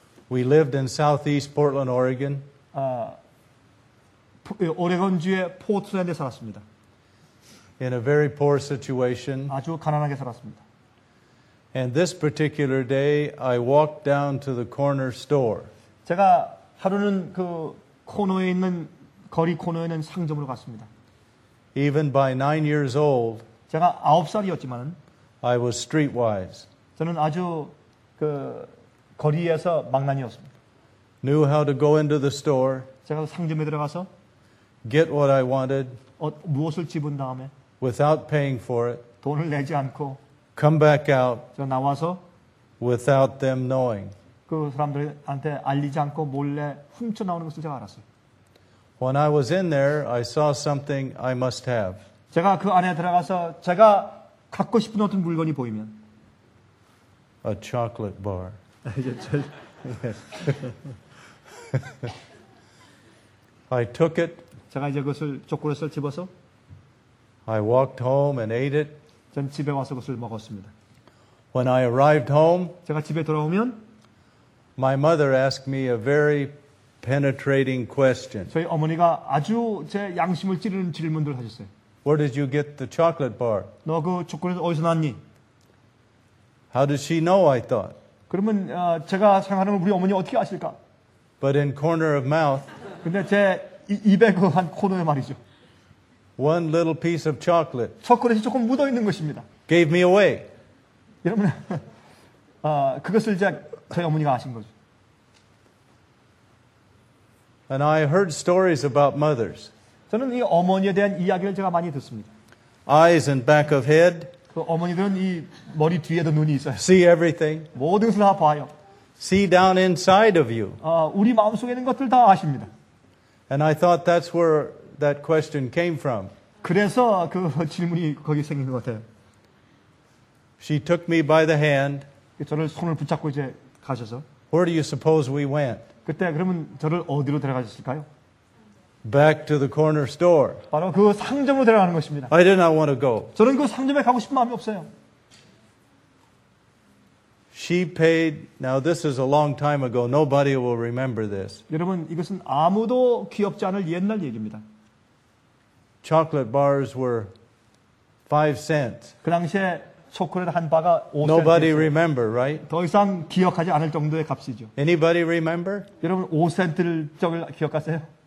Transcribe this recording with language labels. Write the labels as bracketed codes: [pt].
[en] we lived in southeast Portland, Oregon. [ko] 오레곤주의 포틀랜드에 살았습니다. [en] In a very poor situation. [ko] 아주 가난하게 살았습니다. [en] And this particular day, I walked down to the corner store. [ko] 제가 하루는 그 코너에 있는 거리 코너에는 상점으로 갔습니다. [en] Even by 9 years old, [ko] 제가 아홉 살이었지만은, [en] I was streetwise. [ko] 저는 아주 그 거리에서 망나니였습니다. [en] Knew how to go into the store. [ko] 제가 상점에 들어가서, [en] get what I wanted. [ko] 무엇을 집은 다음에, [en] without paying for it. [ko] 돈을 내지 않고, [en] come back out. [ko] 제가 나와서, [en] without them knowing. [ko] 그 사람들한테 알리지 않고 몰래 훔쳐 나오는 것을 제가 알았어요. [en] When I was in there, I saw something I must have. [ko] 제가 그 안에 들어가서 제가 갖고 싶은 어떤 물건이 보이면 [en] a chocolate bar. I took it. [ko] 제가 이제 그것을 초콜릿을 집어서 [en] I walked home and ate it. [ko] 전 집에 와서 그것을 먹었습니다. [en] When I arrived home, [ko] 제가 집에 돌아오면 [en] my mother asked me a very penetrating question. [ko] 저희 어머니가 아주 제 양심을 찌르는 질문들을 하셨어요. [en] Where did you get the chocolate bar? [ko] 너 그 초콜릿 어디서 났니? [en] How did she know, I thought? [ko] 그러면 제가 생각하는 걸 우리 어머니 어떻게 아실까? [en] But in corner of mouth. [ko] 근데 제 입에 그 한 코너에 말이죠. [en] One little piece of chocolate. [ko] 초콜릿이 조금 묻어 있는 것입니다. [en] Gave me away. [ko] 여러분, 그것을 이제 저희 어머니가 아신 거죠. [en] And I heard stories about mothers. [ko] 저는 이 어머니에 대한 이야기를 제가 많이 듣습니다. [en] Eyes and back of head. [ko] 그 어머니들은 이 머리 뒤에도 눈이 있어요. [en] See everything. [ko] 모든 것을 다 봐요. [en] See down inside of you. [ko] 우리 마음속에 있는 것들 다 아십니다. [en] And I thought that's where that question came from. [ko] 그래서 그 질문이 거기 생긴 것 같아요. [en] She took me by the hand. [ko] 저를 손을 붙잡고 이제 가셔서. [en] Where do you suppose we went? [ko] 그때 그러면 저를 어디로 데려가셨을까요? [en] Back to the corner store. [ko] 바로 그 상점으로 데려가는 것입니다. [en] I did not want to go. [ko] 저는 그 상점에 가고 싶은 마음이 없어요. [en] She paid. Now this is a long time ago. Nobody will remember this. [ko] 여러분 이것은 아무도 기억지 않을 옛날 얘기입니다. [en] Chocolate bars were 5 cents. [ko] 그 당시에 초콜릿 한 바가 5센트. [en] Nobody remember, right? [ko] 더 이상 기억하지 않을 정도의 값이죠. [en] Anybody remember? [ko] 여러분 5센트를 적을 기억하세요?